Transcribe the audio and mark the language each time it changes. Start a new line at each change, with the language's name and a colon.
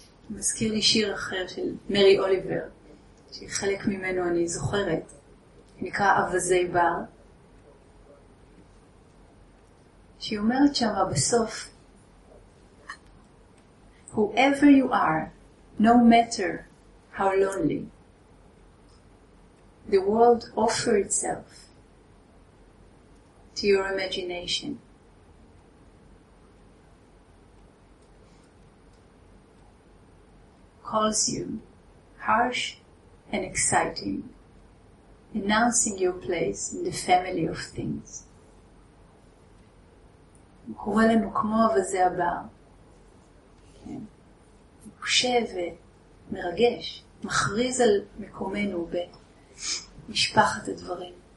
Hebrew: מזכיר לי שיר אחר של מרי אוליבר, שחלק ממנו אני זוכרת, נקרא אווזי בר. שהיא אומרת שמה בסוף,
English: whoever you are, no matter how lonely, the world offers itself to your imagination. Calls you harsh and exciting, announcing your place in the family of things.
Hebrew: הוא קורא לנו כמו אבזי הבר. כן. הוא חושב ומרגש, מכריז על מקומנו במשפחת הדברים.